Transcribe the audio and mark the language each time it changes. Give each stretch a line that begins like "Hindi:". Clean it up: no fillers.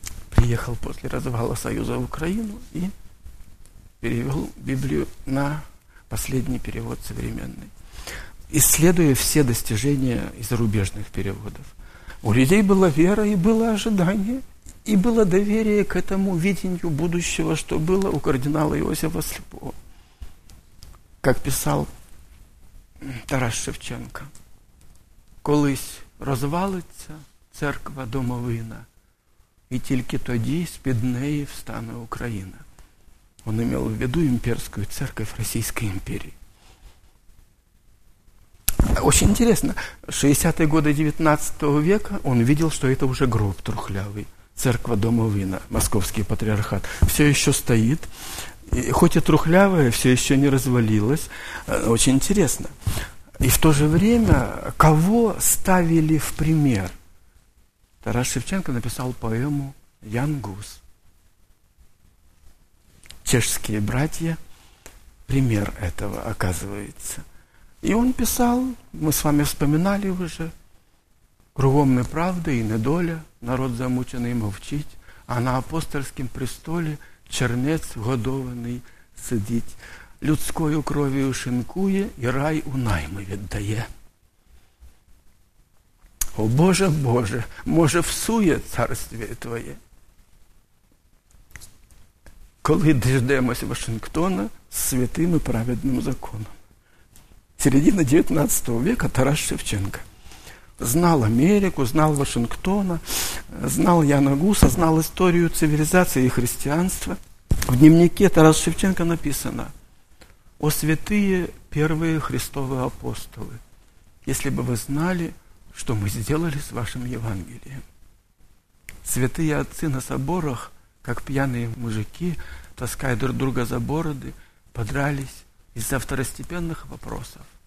Russian: Приехал после развала Союза в Украину и перевел Библию на последний перевод современный, исследуя все достижения и зарубежных переводов. У людей была вера и было ожидание, и было доверие к этому видению будущего, что было у кардинала Иосифа Слепого. Как писал Тарас Шевченко,
Ukrainian: «Колись розвалиться церква домовина, і тільки тоді з-під неї встане Україна».
Russian: Он имел в виду имперскую церковь Российской империи. Очень интересно, в 60-е годы 19 века он видел, что это уже гроб трухлявый, церковь домовина, московский патриархат, все еще стоит, и хоть и трухлявая, все еще не развалилась. Очень интересно. И в то же время, кого ставили в пример? Тарас Шевченко написал поэму «Ян Гус». Чешские братья, пример этого оказывается. И он писал, мы с вами вспоминали уже, «Кругом неправда и недоля, народ замученный мовчит, а на апостольском престоле чернец годованный сидит,
Ukrainian: людскою кровью шинкує и рай у найми віддає». О Боже, Боже, може всує царствие Твоє? Коли дождемось Вашингтона з святим і праведним законом?
Russian: Середина 19 века, Тарас Шевченко. Знал Америку, знал Вашингтона, знал Яна Гуса, знал
Ukrainian: історію цивілізації і християнства.
Russian: В дневнике Тарас Шевченко написано: «О святые первые Христовые апостолы, если бы вы знали, что мы сделали с вашим Евангелием. Святые отцы на соборах, как пьяные мужики, таская друг друга за бороды, подрались из-за второстепенных вопросов.